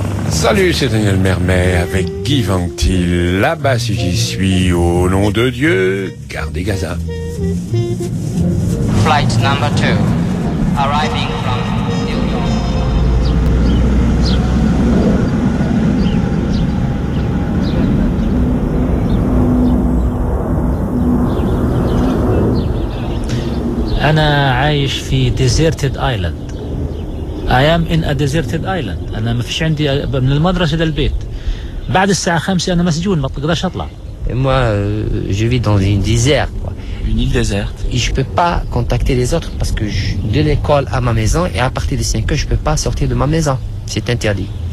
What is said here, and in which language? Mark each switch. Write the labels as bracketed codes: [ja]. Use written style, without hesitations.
[fr] Salut, c'est Daniel Mermet avec Guy Vanctil. Là-bas, si j'y suis, au nom de Dieu, gardez Gaza. [en] Flight number 2, arriving from New York. [ar] أنا عايش في [en] deserted island. I am in a deserted island. [ar] أنا ما فيش عندي من المدرسة للبيت. بعد الساعة 5 أنا مسجون ما بقدرش أطلع. [fr] Et moi, je vis dans une désert, quoi. Une île déserte. Et je ne peux pas contacter les autres parce que de l'école à ma maison, et à partir de 5 heures, je ne peux pas sortir de ma maison. C'est interdit.